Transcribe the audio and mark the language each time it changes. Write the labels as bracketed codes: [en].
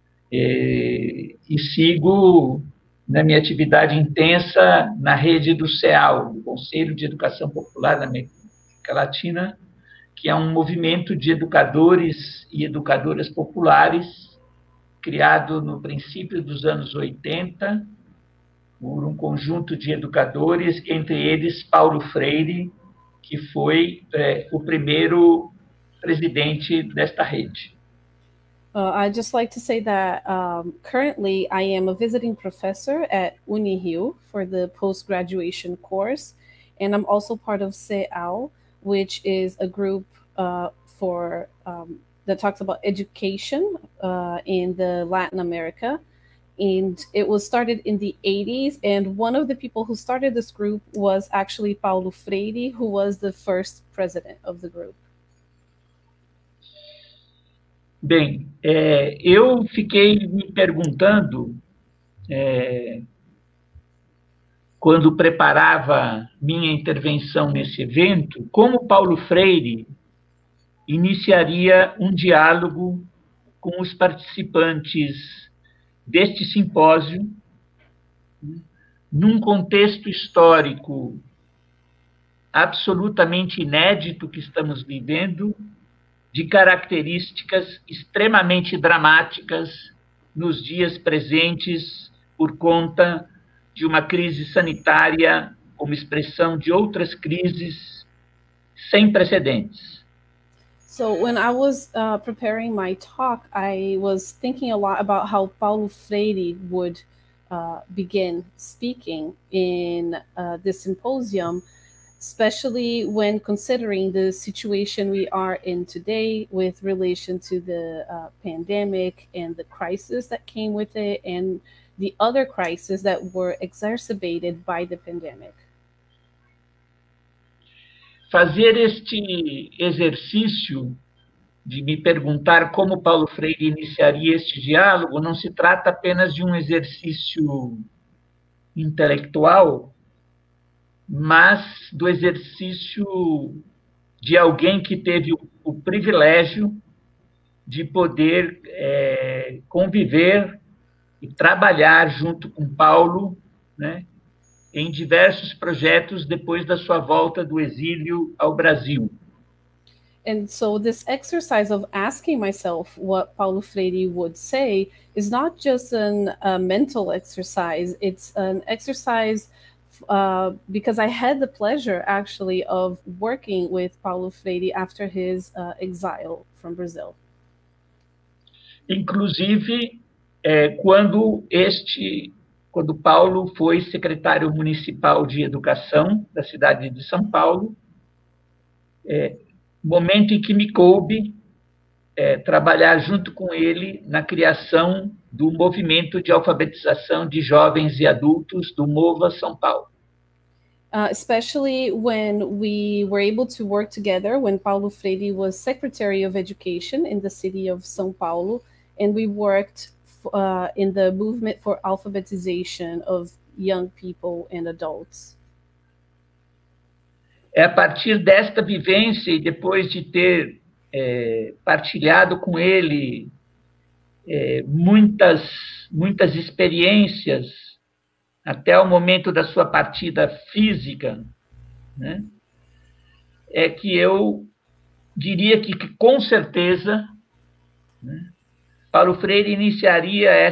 [pt] e sigo na minha atividade intensa na rede do CEAL, do Conselho de Educação Popular da América Latina, que é um movimento de educadores e educadoras populares criado no princípio dos anos 80, por um conjunto de educadores, entre eles Paulo Freire, que foi o primeiro presidente desta rede. [en] I'd just like to say that currently I am a visiting professor at UniRio for the post-graduation course, and I'm also part of CEAL, which is a group that talks about education in the Latin America. And it was started in the 80s. And one of the people who started this group was actually Paulo Freire, who was the first president of the group. [pt] Bem, eu fiquei me perguntando, quando preparava minha intervenção nesse evento, como Paulo Freire iniciaria um diálogo com os participantes deste simpósio, num contexto histórico absolutamente inédito que estamos vivendo, de características extremamente dramáticas nos dias presentes, por conta de uma crise sanitária, como expressão de outras crises sem precedentes. [en] So when I was preparing my talk, I was thinking a lot about how Paulo Freire would begin speaking in this symposium, especially when considering the situation we are in today with relation to the pandemic and the crisis that came with it and the other crises that were exacerbated by the pandemic. [pt] Fazer este exercício de me perguntar como Paulo Freire iniciaria este diálogo não se trata apenas de um exercício intelectual, mas do exercício de alguém que teve o privilégio de poder conviver e trabalhar junto com Paulo, né, em diversos projetos depois da sua volta do exílio ao Brasil. [en] And so this exercise of asking myself what Paulo Freire would say is not just a mental exercise. It's an exercise because I had the pleasure, actually, of working with Paulo Freire after his exile from Brazil. [pt] Inclusive, quando Paulo foi secretário municipal de educação da cidade de São Paulo, momento em que me coube trabalhar junto com ele na criação do movimento de alfabetização de jovens e adultos do Mova São Paulo. [en] Especially when we were able to work together, when Paulo Freire was Secretary of Education in the city of São Paulo, and we worked in the movement for alphabetization of young people and adults. [pt] É a partir desta vivência e depois de ter partilhado com ele muitas experiências até o momento da sua partida física, né, é que eu diria que com certeza, né, Paulo Freire iniciaria